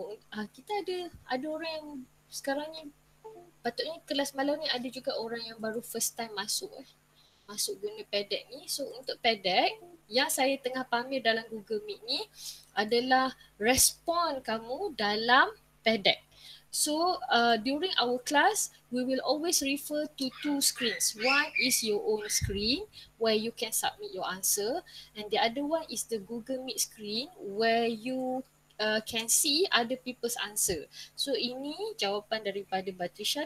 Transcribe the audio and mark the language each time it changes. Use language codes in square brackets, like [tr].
[ms] Kita ada orang yang sekarang ni, patutnya kelas malam ni ada juga orang yang baru [en] first time [ms] masuk masuk guna PEDEC ni. So untuk PEDEC yang saya tengah pamer dalam Google Meet ni adalah respon kamu dalam PEDEC. [en] So during our class, we will always refer to two screens. One is your own screen where you can submit your answer, and the other one is the Google Meet screen where you can see other people's answer. [ms] So ini jawapan daripada Batrisha.